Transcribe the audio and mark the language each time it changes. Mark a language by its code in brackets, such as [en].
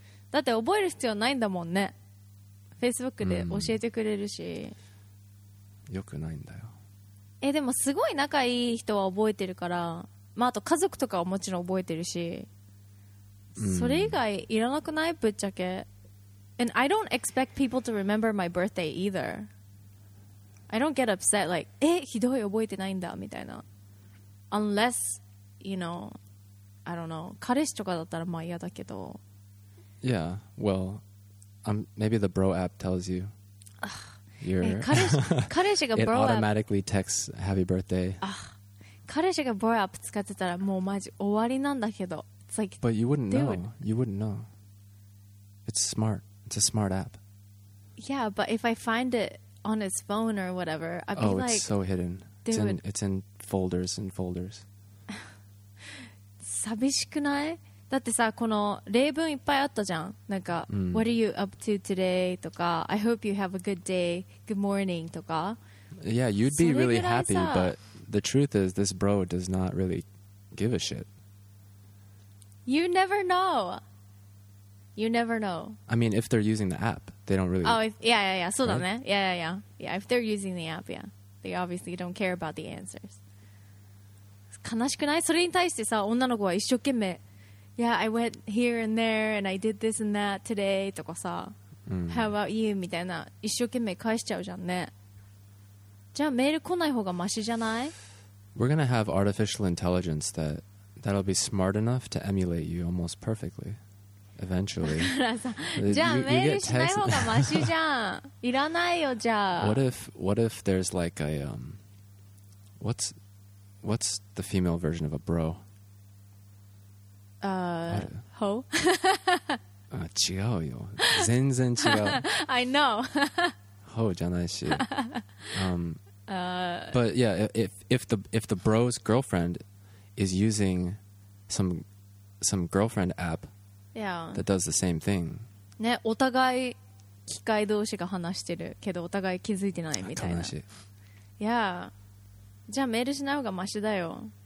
[ja] だって覚える必要ないんだもんね。 Facebook で教えてくれるし。よくないんだよ。でもすごい仲いい人は覚えてるから、まあ、あと家族とかはもちろん覚えてるし、それ以外いらなくない？ぶっちゃけ。 [en] And I don't expect people to remember my birthday either. I don't get upset like, [ja] ひどい、覚えてないんだみたいな。 [en] Unless, you know, I don't know, [ja] 彼氏とかだったらまあ嫌だけど。 [en] Yeah, well, maybe the bro app tells you. Your [ja] 彼氏が [en] Bro App automatically texts happy birthday. [ja] 彼氏がBro App使ってたらもうマジ終わりなんだけど。 [en] It's like, but you wouldn't know. You wouldn't know. It's smart. It's a smart app. Yeah, but if I find it on his phone or whatever, I'd be like, it's so hidden. It's in folders and folders. [ja] 寂しくない？だってさ、この例文いっぱいあったじゃん。なんか、 [en] What are you up to today? [ja] とか、 [en] I hope you have a good day. Good morning. [ja] とか。 [en] Yeah, you'd be really happy, but the truth is, this bro does not really give a shit. You never know. You never know. I mean, if they're using the app, they don't really. Yeah. [ja] そうだね。 [en] Yeah. If they're using the app, yeah. They obviously don't care about the answers. [ja] 悲しくない？それに対してさ、女の子は一生懸命。 [en] Yeah, I went here and there and I did this and that today [ja] とかさ、 [en] How about you? [ja] みたいな一生懸命返しちゃうじゃんね。じゃあメール来ない方がマシじゃない？ [en] We're gonna have artificial intelligence that'll be smart enough to emulate you almost perfectly eventually. [ja] じゃあメールしない方がマシじゃん。いらないよ。じゃあ [en] What if there's like a what's the female version of a bro? ho? [ja] 違うよ。全然違う。 [en] I know. [ja] ho じゃないし。 [en] But yeah, if the bro's girlfriend is using some girlfriend app that does the same thing. [ja] ね、お互い機械同士が話してるけど、お互い気づいてないみたいな。悲しい。 [en] Yeah. [ja] じゃあメールしない方がマシだよ。